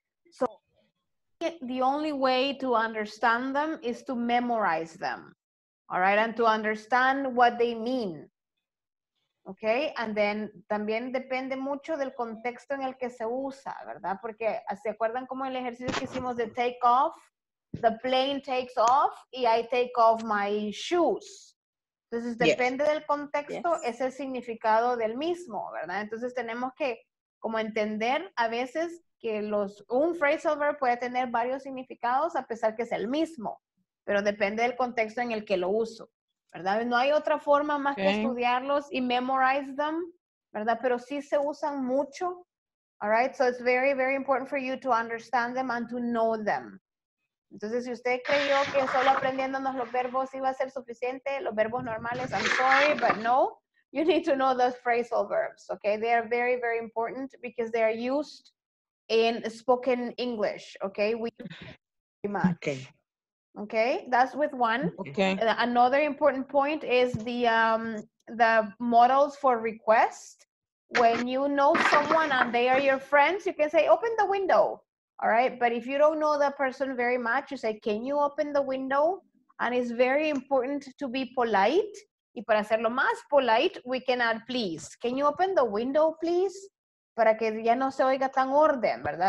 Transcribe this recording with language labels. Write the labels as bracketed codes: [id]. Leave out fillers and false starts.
[en] So, the only way to understand them is to memorize them, all right? And to understand what they mean, okay? And then, [es] también depende mucho del contexto en el que se usa, ¿verdad? Porque, ¿se acuerdan como el ejercicio que hicimos de take off? [en] The plane takes off, [es] y [en] I take off my shoes. [es] Entonces, depende del contexto, es el significado del mismo, ¿verdad? Entonces, tenemos que como entender a veces que los un phrasal verb puede tener varios significados a pesar que es el mismo, pero depende del contexto en el que lo uso, ¿verdad? No hay otra forma más que estudiarlos y [en] memorize them, [es] ¿verdad? Pero sí se usan mucho, [en] all right? So, it's very, very important for you to understand them and to know them. [es] Entonces, si usted creyó que solo aprendiéndonos los verbos iba a ser suficiente, los verbos normales, [en] I'm sorry, but no, you need to know those phrasal verbs, okay? They are very, very important because they are used in spoken English, okay? Okay, that's with one. Okay. Another important point is the models for request. When you know someone and they are your friends, you can say, open the window. All right, but if you don't know that person very much, you say, can you open the window? And it's very important to be polite. [es] Y para hacerlo más [en] polite, we can add please. Can you open the window, please? [es] Para que ya no se oiga tan orden, ¿verdad?